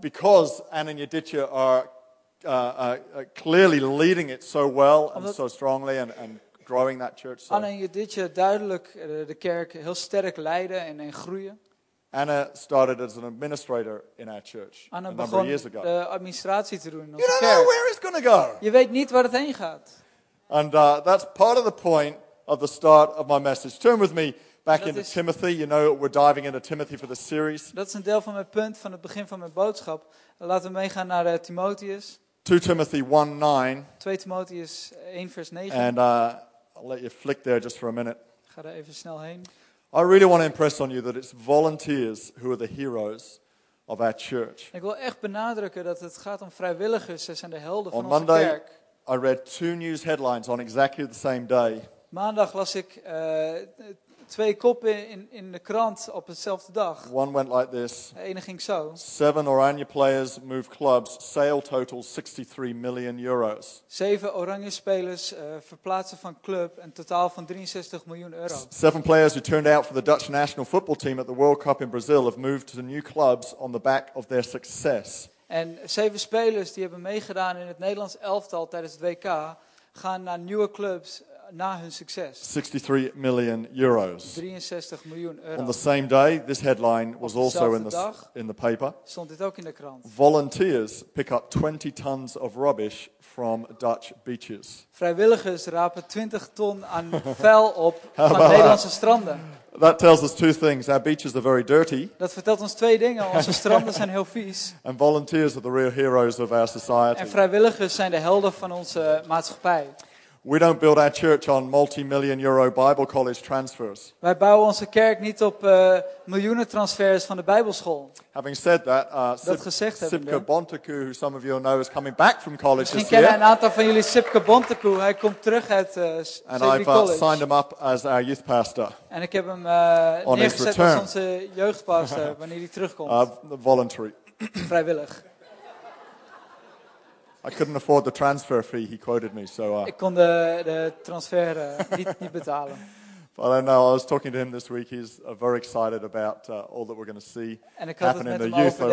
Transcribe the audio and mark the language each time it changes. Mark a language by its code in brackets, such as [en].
[en] Because Anna and Yaditya are clearly leading it so well and so strongly and growing that church. [nl] Anna en Yaditya duidelijk de kerk heel sterk leiden en groeien. [en] Anna started as an administrator in our church Anna a number of years ago. [nl] De administratie te doen in onze kerk. [en] You don't know where it's going to go. [nl] Je weet niet waar het heen gaat. [en] And that's part of the point of the start of my message. Turn with me back into Timothy. You know we're diving into Timothy for the series. [nl] Dat is een deel van mijn punt van het begin van mijn boodschap. Laten we meegaan naar Timotheus. [en] 2 Timothy 1:9. [nl] 2 Timotheus 1 vers 9. [en] And I'll let you flick there just for a minute. [nl] Ga daar even snel heen. [en] I really want to impress on you that it's volunteers who are the heroes of our church. [nl] Ik wil echt benadrukken dat het gaat om vrijwilligers. Ze zijn de helden van onze [en] Monday, [nl] kerk. [en] On Monday, I read 2 news headlines on exactly the same day. [nl] Maandag las ik 2 koppen in de krant op dezelfde dag. [en] One went like this. [nl] De ene ging zo. [en] 7 Oranje players move clubs. Sale total €63 million. [nl] 7 Oranje spelers verplaatsen van club een totaal van €63 miljoen. [en] 7 players who turned out for the Dutch national football team at the World Cup in Brazil have moved to the new clubs on the back of their success. [nl] En 7 spelers die hebben meegedaan in het Nederlands elftal tijdens het WK gaan naar nieuwe clubs. Na hun succes. [en] €63 million. [nl] €63 miljoen. [en] On the same day, this headline was also in the paper. [nl] Stond dit ook in de krant. [en] Volunteers pick up 20 tons of rubbish from Dutch beaches. [nl] Vrijwilligers rapen 20 ton aan vuil op van Nederlandse stranden. [en] That tells us 2 things. Our beaches are very dirty. [nl] Dat vertelt ons 2 dingen. Onze stranden zijn heel vies. [en] And volunteers are the real heroes of our society. [nl] En vrijwilligers zijn de helden van onze maatschappij. [en] We don't build our church on multi-million euro Bible college transfers. [nl] Wij bouwen onze kerk niet op miljoenen transfers van de Bijbelschool. [en] Having said that, Sipke Bontekoe, who some of you know, is coming back from college this year. [nl] Misschien kennen een aantal van jullie Sipke Bontekoe. Hij komt terug uit [en] And I've signed him up as our youth pastor. [nl] En ik heb hem neergezet als onze jeugdpastor wanneer hij terugkomt. [en] Voluntary. [nl] Vrijwillig. [en] I couldn't afford the transfer fee, he quoted me. [nl] Ik kon de transfer niet betalen. [en] But I know I was talking to him this week. He's very excited about all that we're going to see happen in the youth over